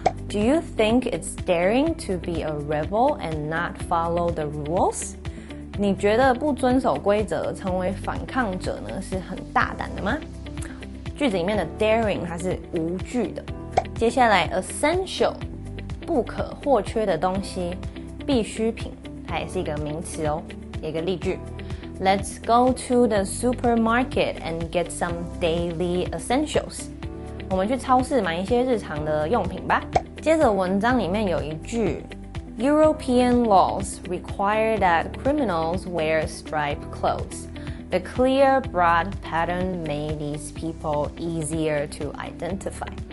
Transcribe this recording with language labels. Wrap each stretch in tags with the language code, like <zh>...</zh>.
<en>Do you think it's daring to be a rebel and not follow the rules?</en> <zh>你觉得不遵守规则成为反抗者呢，是很大胆的吗？句子里面的 daring 它是无惧的。接下来 essential 不可或缺的东西，必需品，它也是一个名词哦，一个例句。</zh> <en>Let's go to the supermarket and get some daily essentials.</en> <zh>我们去超市买一些日常的用品吧。接着文章里面有一句</zh> <en>,European laws require that criminals wear striped clothes. The clear broad pattern made these people easier to identify.</en>